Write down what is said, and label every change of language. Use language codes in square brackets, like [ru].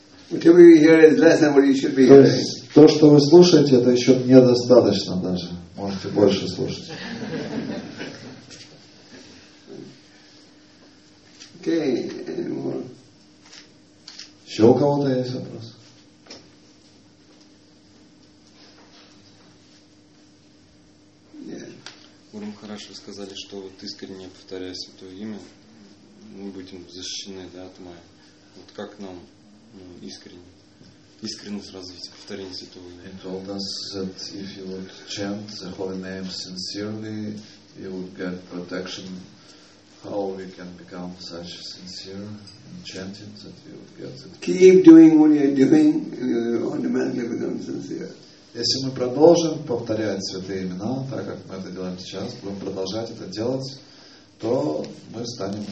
[en] Whatever you hear is less than what you should be hearing. [ru] То, что вы слушаете, это еще недостаточно даже. Можете больше слушать. [en] Okay. Anymore? [ru] Еще у кого-то есть вопрос? [en] Yeah. [ru] Гуру Махарадж, вы сказали, что вот искренне повторяя святое имя, мы будем защищены, да, от Майи. Вот как нам, ну, искренне сразу ведь повторение святого имени? [en] He told us that if you would chant the holy name sincerely, you would get protection. How we can become such sincere in chanting that you would get it? Keep doing what you're doing, and you automatically become sincere. [ru] Если мы продолжим повторять святые имена, так как мы это делаем сейчас, будем продолжать это делать, то мы станем